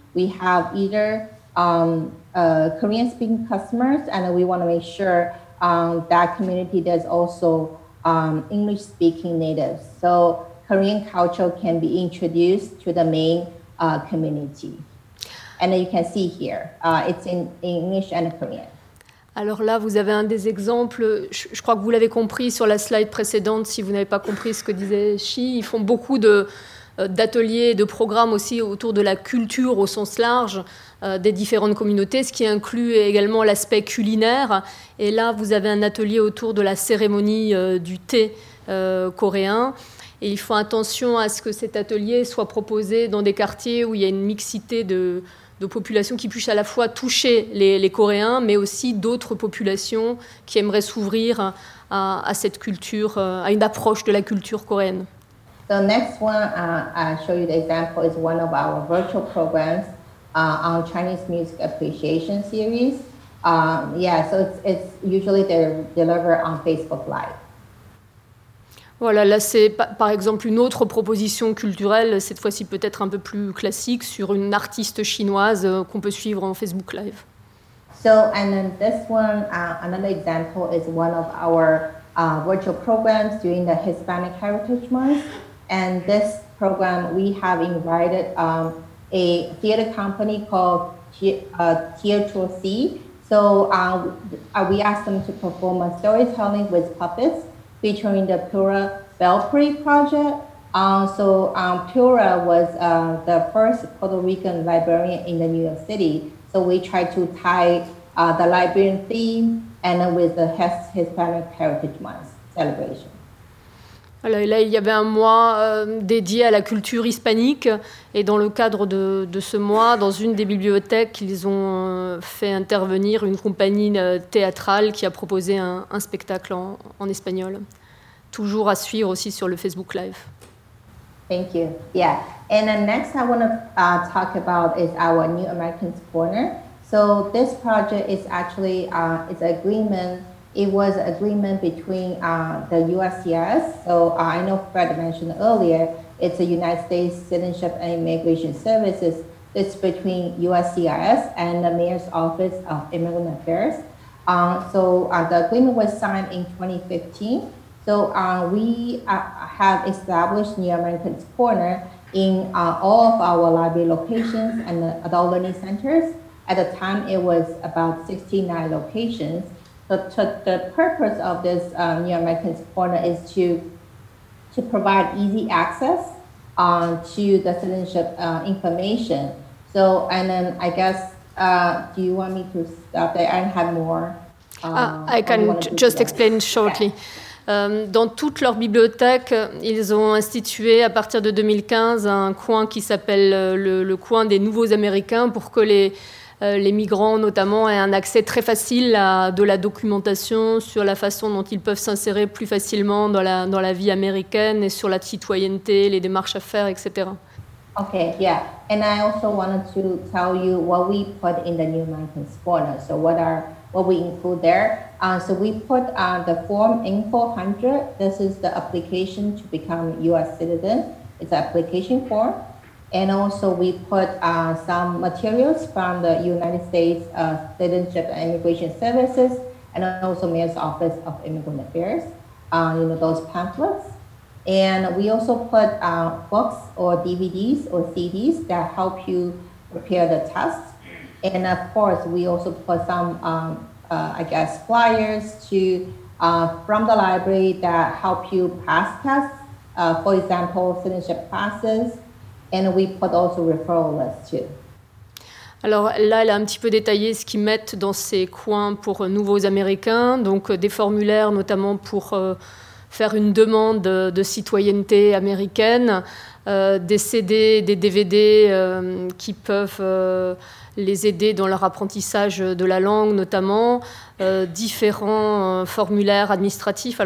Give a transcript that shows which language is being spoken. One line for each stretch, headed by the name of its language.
English: We have either Korean-speaking customers, and we want to make sure that community there's also English-speaking natives. So Korean culture can be introduced to the main community. And you can see here, it's in English and Korean.
French: Alors là, vous avez un des exemples, je crois que vous l'avez compris sur la slide précédente, si vous n'avez pas compris ce que disait Shi, ils font beaucoup d'ateliers, de programmes aussi autour de la culture au sens large des différentes communautés, ce qui inclut également l'aspect culinaire. Et là, vous avez un atelier autour de la cérémonie du thé coréen. Et ils font attention à ce que cet atelier soit proposé dans des quartiers où il y a une mixité de populations qui puissent à la fois toucher les Coréens, mais aussi d'autres populations qui aimeraient s'ouvrir à cette culture, à une approche de la culture coréenne.
English: The next one, I'll show you the example, is one of our virtual programs on Chinese Music Appreciation Series. So it's usually they're delivered on Facebook Live.
French: Voilà, là c'est par exemple une autre proposition culturelle, cette fois-ci peut-être un peu plus classique, sur une artiste chinoise qu'on peut suivre en Facebook Live.
English: So, and then this one, another example is one of our virtual programs during the Hispanic Heritage Month. And this program, we have invited a theater company called Teatro C. So we asked them to perform a storytelling with puppets, featuring the Pura Belpre project. Pura was the first Puerto Rican librarian in the New York City. So we tried to tie the librarian theme and with the Hispanic Heritage Month celebration.
French: Voilà, et là, il y avait un mois dédié à la culture hispanique. Et dans le cadre de ce mois, dans une des bibliothèques, ils ont fait intervenir une compagnie théâtrale qui a proposé un spectacle en espagnol. Toujours à suivre aussi sur le Facebook Live.
English: Thank you. Yeah. And then next I want to talk about is our New Americans Corner. So this project is actually, it's an agreement. It was an agreement between the USCIS. So I know Fred mentioned earlier, it's a United States Citizenship and Immigration Services. It's between USCIS and the Mayor's Office of Immigrant Affairs. So the agreement was signed in 2015. So we have established New Americans Corner in all of our library locations and the adult learning centers. At the time, it was about 69 locations. But the purpose of this New Americans Corner is to provide easy access to the citizenship information. So, and then I guess, do you want me to stop there and have more? I can just explain shortly. Okay.
French: Dans toute leur bibliothèque, ils ont institué à partir de 2015 un coin qui s'appelle le coin des nouveaux Américains pour que les migrants notamment aient un accès très facile à de la documentation sur la façon dont ils peuvent s'insérer plus facilement dans la vie américaine et sur la citoyenneté, les démarches à faire, etc.
English: Okay, yeah. And I also wanted to tell you what we put in the New Americans Corner. So what we include there. So we put the form N-400. This is the application to become U.S. citizen. It's an application form. And also we put some materials from the United States Citizenship and Immigration Services and also Mayor's Office of Immigrant Affairs, you know, those pamphlets. And we also put books or DVDs or CDs that help you prepare the test. And of course, we also put some, flyers to from the library that help you pass tests, for example, citizenship classes. And we put also referral lists too.
French: Alors là, elle a un petit peu détaillé ce qu'ils mettent dans ces coins pour nouveaux Américains, donc des formulaires notamment pour faire une demande de citoyenneté américaine, des CD, des DVD qui peuvent les aider dans leur apprentissage de la langue, notamment différents formulaires administratifs.